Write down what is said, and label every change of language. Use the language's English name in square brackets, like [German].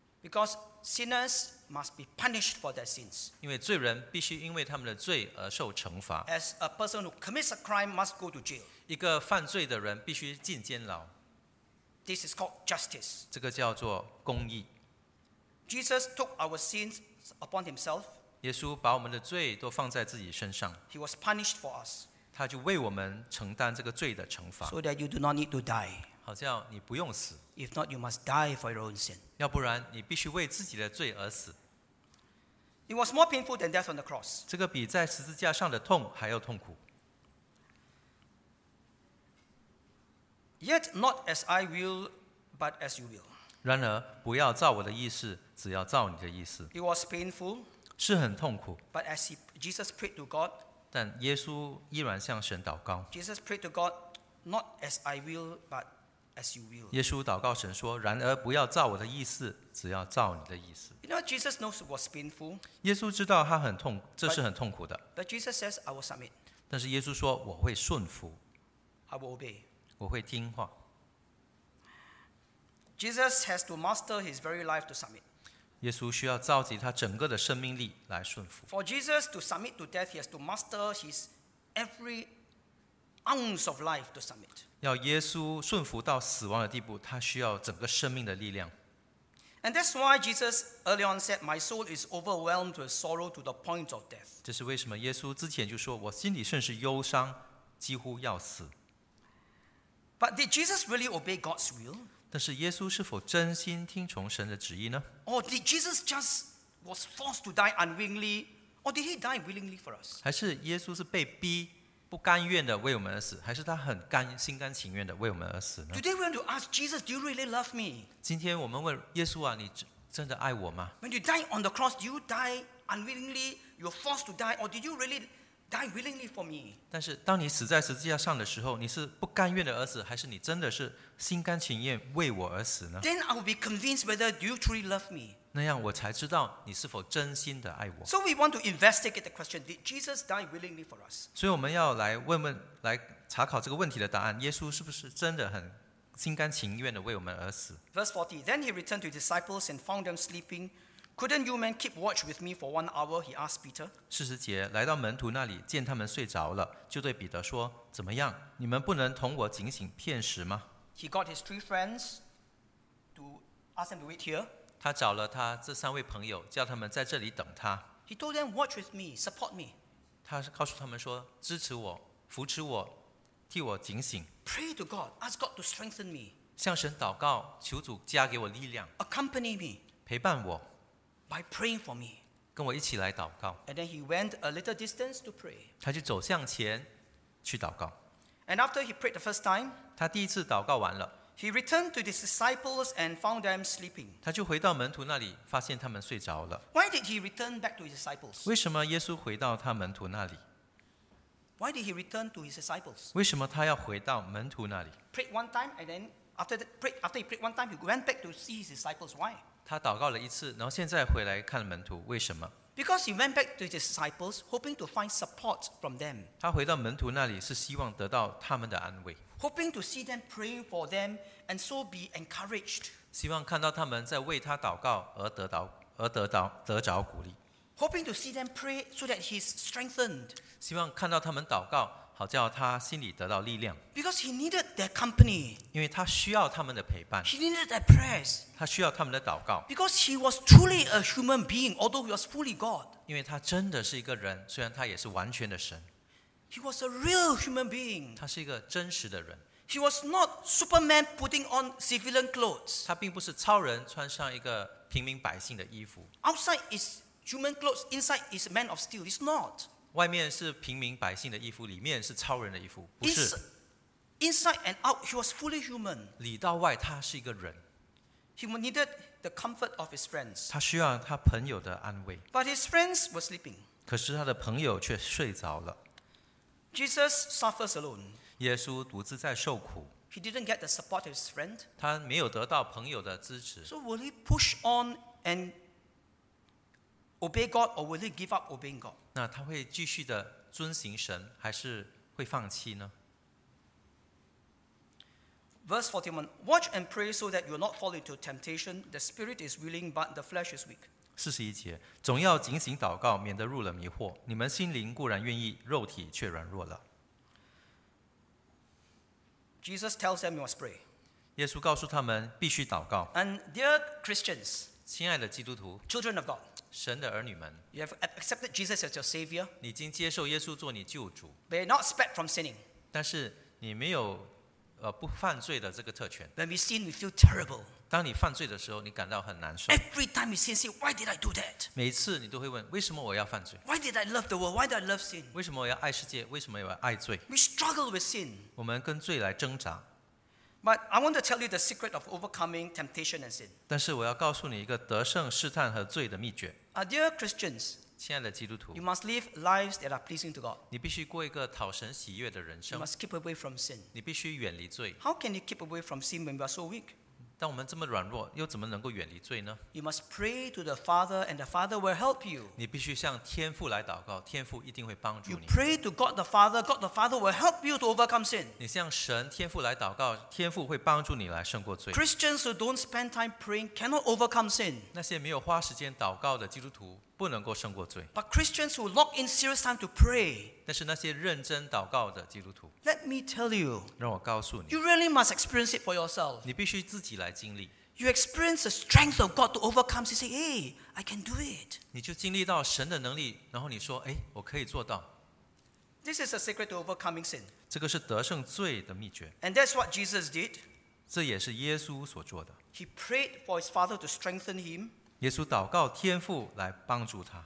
[English] Because sinners must be punished for their sins. [Chinese] 因为罪人必须因为他们的罪而受惩罚。 [English] As a person who commits a crime must go to jail. [Chinese] 一个犯罪的人必须进监牢。 [English] This is called justice. [Chinese] 这个叫做公义。 [English] Jesus took our sins upon himself. [Chinese] 耶稣把我们的罪都放在自己身上。 [English] He was punished for us. [Chinese] 他就为我们承担这个罪的惩罚。 [English] So that you do not need to die. [Chinese] 好像你不用死。 [English] If not, you must die for your own sin. [Chinese] 要不然你必须为自己的罪而死。 [English] It was more painful than death on the cross. [Chinese] 这个比在十字架上的痛还要痛苦。 [English] Yet not as I will, but as you will. [Chinese] 然而不要照我的意思，只要照你的意思。 [English] It was painful. [Chinese] 是很痛苦。 [English] But as Jesus prayed to God. [Chinese] 但耶稣依然向神祷告。 [English] Jesus prayed to God, not as I will, but as you will. [Chinese] 耶稣祷告神说：“然而不要照我的意思，只要照你的意思。” [English] You know, Jesus knows it was painful. [Chinese] 耶稣知道他很痛，这是很痛苦的。 [English] But Jesus says, "I will submit." [Chinese] 但是耶稣说：“我会顺服。” [English] I will obey. [Chinese] 我会听话。 [English] Jesus has to master his very life to submit. [Chinese] 耶稣需要召集他整个的生命力来顺服。 [English] For Jesus to submit to death, he has to master his every ounce of life to submit. [Chinese] 要耶稣顺服到死亡的地步，他需要整个生命的力量。 [English] And that's why Jesus early on said, "My soul is overwhelmed with sorrow to the point of death." [Chinese] 这是为什么耶稣之前就说，我心里甚是忧伤，几乎要死。 [English] But did Jesus really obey God's will? [Chinese] 但是耶稣是否真心听从神的旨意呢？ [English] Or did Jesus just was forced to die unwillingly? Or did he die willingly for us? [Chinese] 还是耶稣是被逼不甘愿的为我们而死，还是他很甘心甘情愿的为我们而死呢？ [English] Today we want to ask Jesus, "Do you really love me?" [Chinese] 今天我们问耶稣啊，你真的爱我吗？ [English] When you die on the cross, do you die unwillingly? You're forced to die, or did you really? Die willingly for me. [Chinese] 但是当你死在十字架上的时候，你是不甘愿的而死，还是你真的是心甘情愿为我而死呢？ [English] Then I will be convinced whether you truly love me. [Chinese] 那样我才知道你是否真心的爱我。 [English] So we want to investigate the question: Did Jesus die willingly for us? [Chinese] 所以我们要来问问，来查考这个问题的答案：耶稣是不是真的很心甘情愿的为我们而死？ [English] Verse 40. Then he returned to his disciples and found them sleeping. Couldn't you men keep watch with me for 1 hour? He asked Peter. [Chinese] 四十节，来到门徒那里，见他们睡着了，就对彼得说：“怎么样？你们不能同我警醒片时吗？” [English] He got his three friends to ask them to wait here. [Chinese] 他找了他这三位朋友，叫他们在这里等他。 [English] He told them, "Watch with me, support me." [Chinese] 他告诉他们说：“支持我，扶持我，替我警醒。” [English] Pray to God, ask God to strengthen me. [Chinese] 向神祷告，求主加给我力量。 [English] Accompany me. [Chinese] 陪伴我。 [English] By praying for me, [Chinese] 跟我一起来祷告。 [English] And then he went a little distance to pray. [Chinese] 他就走向前去祷告。 [English] And after he prayed the first time, [Chinese] 他第一次祷告完了。 [English] He returned to the disciples and found them sleeping. [Chinese] 他就回到门徒那里，发现他们睡着了。 [English] Why did he return back to his disciples? [Chinese] 为什么耶稣回到他门徒那里？ [English] Why did he return to his disciples? [Chinese] 为什么他要回到门徒那里？ [English] Prayed one time and then after he prayed one time, he went back to see his disciples. Why? [Chinese] 他祷告了一次，然后现在回来看门徒，为什么？ [English] Because he went back to his disciples, hoping to find support from them. [Chinese] 他回到门徒那里是希望得到他们的安慰。 [English] Hoping to see them praying for them and so be encouraged. [Chinese] 希望看到他们在为他祷告而得着鼓励。 [English] Hoping to see them pray so that he's strengthened. [Chinese] 希望看到他们祷告，好叫他心里得到力量。 [English] Because he needed their company. [Chinese] 因为他需要他们的陪伴。 [English] He needed their prayers. [Chinese] 他需要他们的祷告。 [English] Because he was truly a human being, although he was fully God. [Chinese] 因为他真的是一个人，虽然他也是完全的神。 [English] He was a real human being. [Chinese] 他是一个真实的人。 [English] He was not Superman putting on civilian clothes. [Chinese] 他并不是超人穿上一个平民百姓的衣服。 [English] Outside is human clothes, inside is man of steel. It's not. [Chinese] 外面是平民百姓的衣服，里面是超人的衣服，不是。 [English] Inside and out, he was fully human. [Chinese] 里到外，他是一个人。 [English] He needed the comfort of his friends. [Chinese] 他需要他朋友的安慰。 [English] But his friends were sleeping. [Chinese] 可是他的朋友却睡着了。 [English] Jesus suffers alone. [Chinese] 耶稣独自在受苦。 [English] He didn't get the support of his friend. [Chinese] 他没有得到朋友的支持。 [English] So will he push on and obey God, or will he give up obeying God? [Chinese] 那他会继续的遵行神，还是会放弃呢？ [English] Verse 41, watch and pray so that you will not fall into temptation. The spirit is willing, but the flesh is weak. [Chinese] 41节，总要警醒祷告，免得入了迷惑。你们心灵固然愿意，肉体却软弱了。 [English] Jesus tells them you must pray. [Chinese] 耶稣告诉他们必须祷告。 [English] And dear Christians, [Chinese] 亲爱的基督徒 [English] ，Children of God, [Chinese] 神的儿女们 [English] ，You have accepted Jesus as your Savior. [Chinese] 你已经接受耶稣做你救主。 [English] But not spared from sinning. [Chinese] 但是你没有不犯罪的这个特权。 [English] When we sin, we feel terrible. [Chinese] 当你犯罪的时候，你感到很难受。 [English] Every time you sin, say, Why did I do that? [Chinese] 每次你都会问，为什么我要犯罪 [English] ？Why did I love the world? Why did I love sin? [Chinese] 为什么我要爱世界？为什么我要爱罪 [English] ？We struggle with sin. [Chinese] 我们跟罪来挣扎。 [English] But I want to tell you the secret of overcoming temptation and sin. [Chinese] 但是我要告诉你一个得胜试探和罪的秘诀。 [English] Dear Christians, [Chinese] 亲爱的基督徒 [English] ，You must live lives that are pleasing to God. [Chinese] 你必须过一个讨神喜悦的人生。 [English] You must keep away from sin. [Chinese] 你必须远离罪。 [English] How can you keep away from sin when we are so weak? [Chinese] 当我们这么软弱，又怎么能够远离罪呢 [English] ？You must pray to the Father, and the Father will help you. [Chinese] 你必须向天父来祷告，天父一定会帮助你。 [English] You pray to God the Father, God the Father will help you to overcome sin. [Chinese] 你向神天父来祷告，天父会帮助你来胜过罪。 [English] Christians who don't spend time praying cannot overcome sin. [Chinese] 那些没有花时间祷告的基督徒不能够胜过罪。 [English] But Christians who lock in serious time to pray. [Chinese] 但是那些认真祷告的基督徒。 [English] Let me tell you. [Chinese] 让我告诉你。 [English] You really must experience it for yourself. [Chinese] 你必须自己来经历。 [English] You experience the strength of God to overcome. You say, "Hey, I can do it." [Chinese] 你就经历到神的能力，然后你说，哎，我可以做到。 [English] This is a secret to overcoming sin. [Chinese] 这个是得胜罪的秘诀。 [English] And that's what Jesus did. [Chinese] 这也是耶稣所做的。 [English] He prayed for his Father to strengthen him. [Chinese] 耶稣祷告天父来帮助他